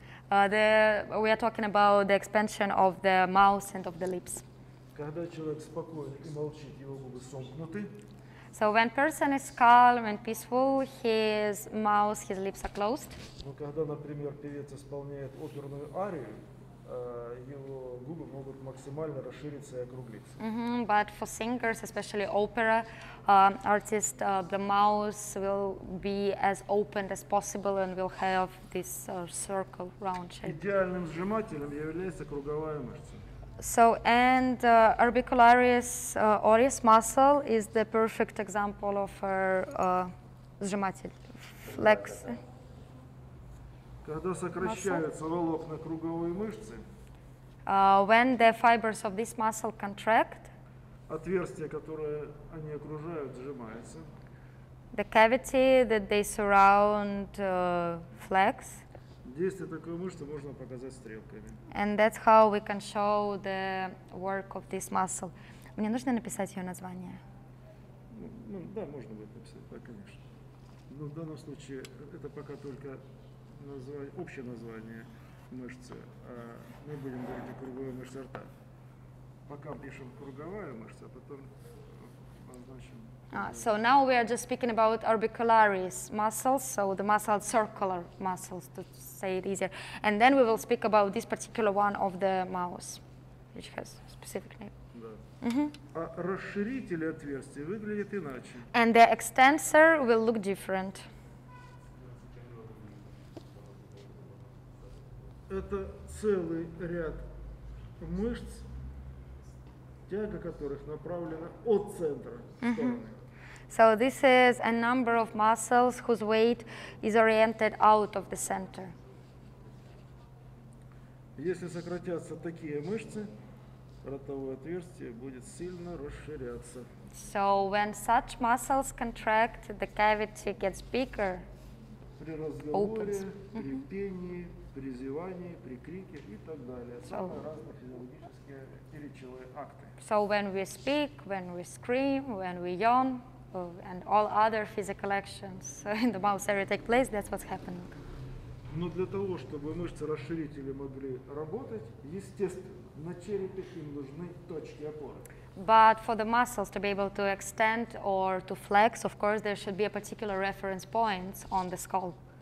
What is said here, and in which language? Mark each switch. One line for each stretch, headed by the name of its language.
English: We are talking about the expansion of the mouth and of the lips.
Russian: Когда человек спокоен и молчит, его губы сомкнуты.
English: So when person is calm and peaceful, his mouth, his lips are closed.
Russian: Но когда, например, певец исполняет оперную арию, его губы могут максимально расшириться и округлиться. Mm-hmm.
English: But for singers, especially opera artists, the mouth will be as open as possible and will have this circle round shape.
Russian: Идеальным сжимателем является круговая мышца.
English: So, and orbicularis oris muscle is the perfect example of our flex.
Russian: Когда сокращаются волокна круговой мышцы,
English: when the fibers of this muscle contract,
Russian: отверстие, которое они окружают, сжимается.
English: The cavity that they surround flex.
Russian: Действие такой мышцы можно показать стрелками.
English: And that's how we can show the work of this muscle.
Russian: Мне нужно написать ее название? Ну, да, можно будет написать, да, конечно. Но в данном случае это пока только общее название мышцы. А мы будем говорить о круговой мышце рта. Пока пишем круговая мышца, а потом обозначим.
English: So now we are just speaking about orbicularis muscles, so the muscle circular muscles, to say it easier. And then we will speak about this particular one of the mouth, which has a specific name.
Russian: А расширители отверстия выглядят иначе.
English: And the extensor will look different.
Russian: Это целый ряд мышц, тяга которых направлена от центра в стороны.
English: So this is a number of muscles whose weight is oriented out of the center.
Russian: Если сократятся такие мышцы, ротовое отверстие будет сильно расширяться.
English: So when such muscles contract, the cavity gets bigger.
Russian: При разговоре, при пении, при зевании, при крике и так далее. Самые разные физиологические и речевые акты.
English: So when we speak, when we scream, when we yawn, and all other physical actions in the mouth area take place, that's what's happening.
Russian: Но для того, чтобы мышцы-расширители могли работать, естественно, на черепе им нужны точки опоры.
English: But for the muscles to be able to extend or to flex, of course, there should be a particular reference point on the skull.